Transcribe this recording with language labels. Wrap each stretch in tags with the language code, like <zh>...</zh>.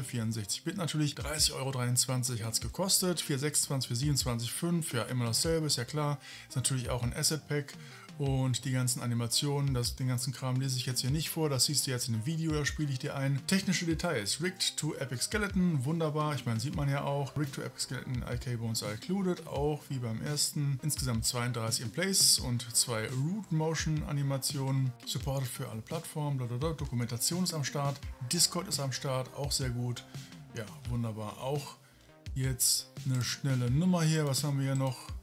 <de>64-Bit natürlich. 30,23 € hat es gekostet. 426, 427, 5. Ja, immer dasselbe, ist ja klar. Ist natürlich auch ein Asset-Pack. Und die ganzen Animationen, den ganzen Kram lese ich jetzt hier nicht vor. Das siehst du jetzt in dem Video, da spiele ich dir ein. Technische Details.</de> <en>Rigged to Epic Skeleton.</en> <de>Wunderbar. Ich meine, sieht man ja auch.</de> <en>Rigged to Epic Skeleton, IK Bones are included.</en> <de>Auch wie beim ersten. Insgesamt 32 in Place und 2 Root Motion Animationen. Supported für alle Plattformen. Blablabla. Dokumentation ist am Start. Discord ist am Start. Auch sehr gut. Ja, wunderbar. Auch jetzt eine schnelle Nummer hier. Was haben wir hier noch?</de>